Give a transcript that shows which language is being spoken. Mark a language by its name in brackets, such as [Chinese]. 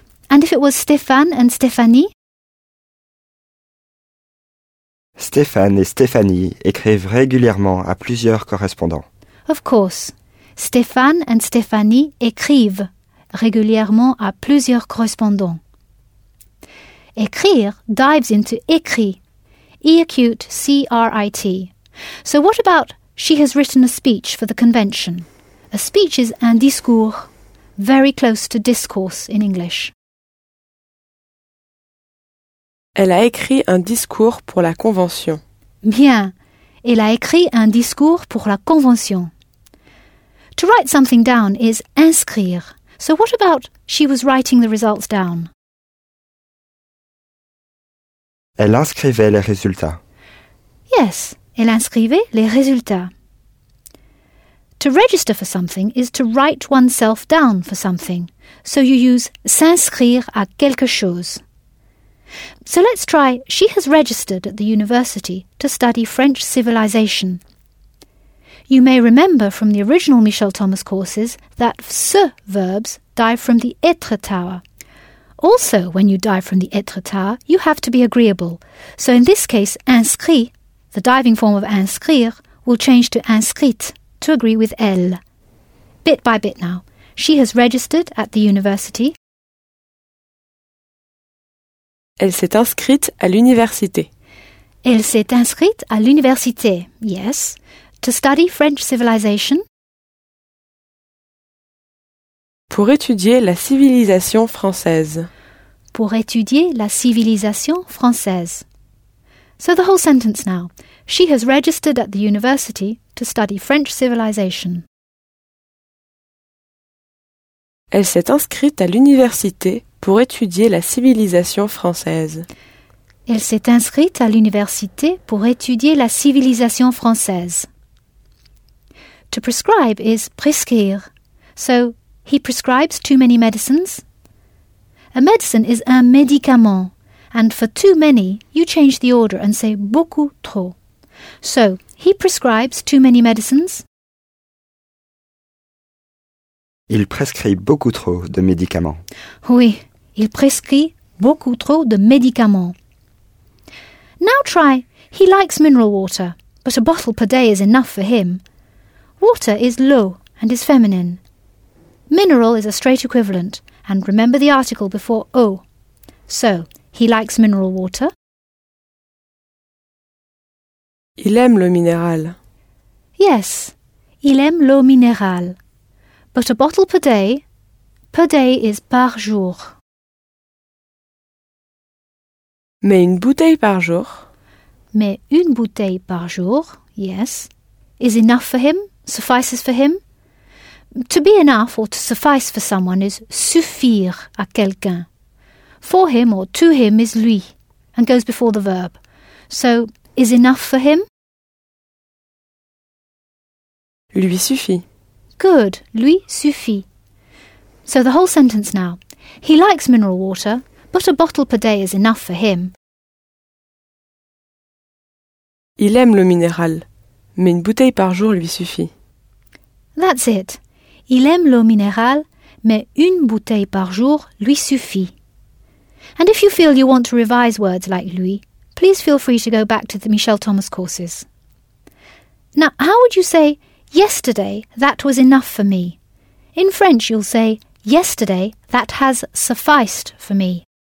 [English] And if it was Stéphane and Stéphanie? [French] Stéphane et Stéphanie écrivent régulièrement à plusieurs correspondants. [English] Of course. [French] Stéphane and Stéphanie écrivent régulièrement à plusieurs correspondants. [English] Écrire dives into écrit. E-acute, C-R-I-T. So what about she has written a speech for the convention? A speech is un discours, very close to discourse in English. [French] Elle a écrit un discours pour la convention. Bien. Elle a écrit un discours pour la convention. [English] To write something down is inscrire. So what about she was writing the results down? [French] Elle inscrivait les résultats. Yes, elle inscrivait les résultats. [English] To register for something is to write oneself down for something. So you use [French] s'inscrire à quelque chose. [English] So let's try, she has registered at the university to study French civilization. You may remember from the original Michel Thomas courses that se verbs dive from the être tower. Also, when you dive from the être tower, you have to be agreeable. So in this case, inscrit, the diving form of inscrire, will change to inscrite, to agree with elle. Bit by bit now. She has registered at the university. [French] Elle s'est inscrite à l'université. Elle s'est inscrite à l'université, yes. [English] To study French civilization. [French] Pour étudier la civilisation française. Pour étudier la civilisation française. [English] So the whole sentence now. She has registered at the university to study French civilization. [French] Elle s'est inscrite à l'université pour étudier la civilisation française. Elle s'est inscrite à l'université pour étudier la civilisation française. [English] To prescribe is prescrire. So, he prescribes too many medicines. A medicine is un médicament. And for too many, you change the order and say beaucoup trop. So, he prescribes too many medicines. [French] Il prescrit beaucoup trop de médicaments. Oui, il prescrit beaucoup trop de médicaments. [English] Now try, he likes mineral water, but a bottle per day is enough for him. Water is l'eau and is feminine. Mineral is a straight equivalent, and remember the article before eau. So, he likes mineral water. [French] Il aime l'eau minérale. Yes, il aime l'eau minérale. [English] But a bottle per day is par jour. [French] Mais une bouteille par jour. Mais une bouteille par jour, [English] yes, is enough for him, suffices for him. To be enough or to suffice for someone is [French] suffire à quelqu'un. [English] For him or to him is lui and goes before the verb. So, is enough for him? [French] Lui suffit. Good, lui suffit. [English] So the whole sentence now. He likes mineral water, but a bottle per day is enough for him. [French] Il aime l'eau minérale, mais une bouteille par jour lui suffit. [English] That's it. [French] Il aime l'eau minérale, mais une bouteille par jour lui suffit. [English] And if you feel you want to revise words like lui, please feel free to go back to the Michel Thomas courses. Now, how would you say yesterday, that was enough for me? In French, you'll say, yesterday, that has sufficed for me.